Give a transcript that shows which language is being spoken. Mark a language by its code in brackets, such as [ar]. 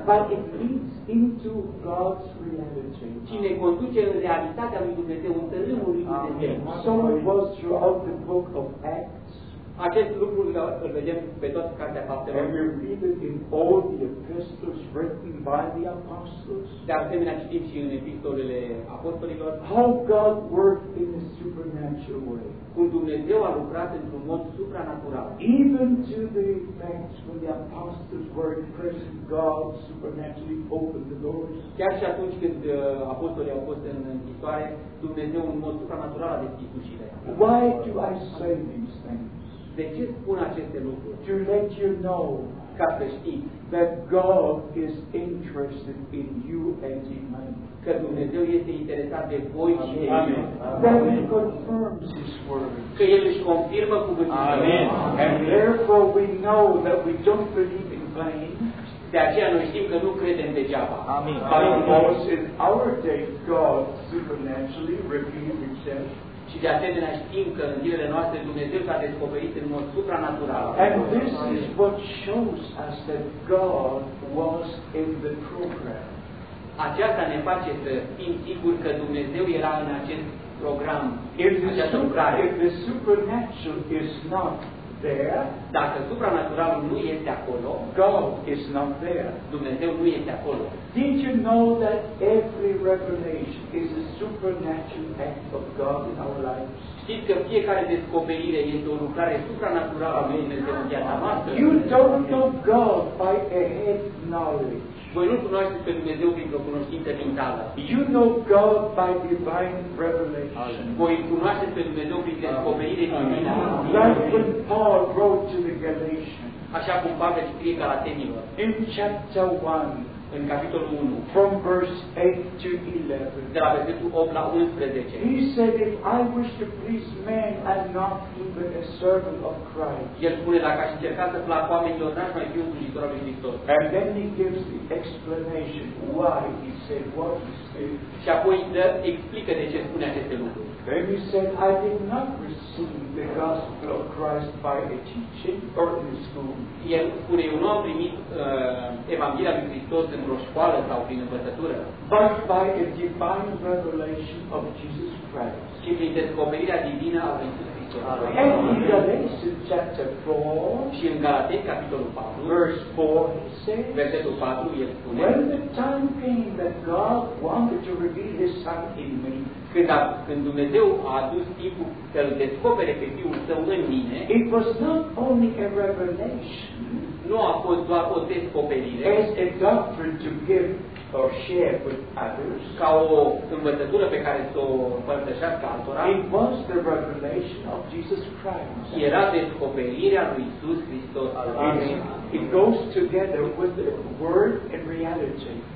[en] but it leads into God's reality. [ro] Ci ne conduce în realitatea lui Dumnezeu, în tărâmul lui Dumnezeu. [en] So it was throughout the book of Acts. [ro] Acest lucru îl vedem pe toată cartea Faptelor. [en] And we read it in all the epistles written by the apostles. [ro] De asemenea, citim și în epistolele apostolilor. [en] How God worked in a supernatural way. [ro] Cum Dumnezeu a lucrat într-un mod supranatural. [en] Even to the effects when the apostles were in prison, God supernaturally opened the doors. [ro] Chiar și atunci când apostolii au fost în închisoare, Dumnezeu în mod supranatural a deschis ușile. [en] Why do I say these things? [ro] De ce spun aceste lucruri? [en] To let you know, [ro] ca să știi, [en] that God is interested in you and in me. [ro] Că Dumnezeu este interesat de voi și de mine. [en] That He confirms His word. [ro] Că El își confirmă cuvântul. [en] Amen. And therefore we know that we don't believe in vain. [ro] De aceea noi știm că nu credem degeaba. [en] Amen. Because in our day God supernaturally revealed Himself. [ro] Și de asemenea știm că în zilele noastre Dumnezeu s-a descoperit în mod supranatural. [en] And this is what shows us that God was in the program. [ro] Aceasta ne face să fim siguri că Dumnezeu era în acest program. [en] If the supernatural is not there, [ro] dacă supranaturalul nu este acolo, [en] God is not there. [ro] Dumnezeu nu este acolo. [en] Did you know that every revelation is a supernatural act of God in our lives? [ro] Știți că fiecare descoperire este o lucrare supranaturală a lui Dumnezeu în viața noastră? [en] You don't know God by a head knowledge. [ro] Voi nu cunoașteți pe Dumnezeu printr-o cunoștință mentală. [en] You know God by divine revelation. [ro] Voi cunoașteți pe Dumnezeu prin descoperire divină. [en] Like when Paul wrote to the Galatians. [ro] Așa cum Pavel scrie Galatenilor. [en] In chapter 1. [ro] În capitolul 1, [en] from verse 8 to 11, [ro] de la versetul 8 la 11, [en] he said, if I wish to please men and not even a servant of Christ. [ro] El spune, dacă aș încerca să plac oamenilor, n-aș mai fi un slujitor al lui Hristos. [en] And then he gives the explanation why he said what he said. [ro] Și apoi explică de ce spune aceste lucruri. [en] Then he said, I did not receive the gospel of Christ by a teaching or in school. [ro] El spune, eu nu am primit Evanghelia lui Hristos într-o școală sau prin învățătură. [en] But by a divine revelation of Jesus Christ. [ro] Și prin descoperirea divină a lui Hristos. [en] And in Galatians chapter 4, [ro] și în Galatei capitolul 4, [en] verse 4, he says, [ro] versetul 4, el spune, [en] when the time came that God wanted to reveal His Son in me, [ro] când Dumnezeu a adus timpul să-L descopere pe Fiul Său în mine, [en] it was not only a revelation, [ro] nu a fost doar o descoperire, [en] as a doctrine to give or share with others, [ro] ca o învățătură pe care s-o împărtășească altora, [en] it was the revelation of Jesus Christ. [ro] Era descoperirea lui Iisus Hristos al lui. [en] It goes together with the word and reality.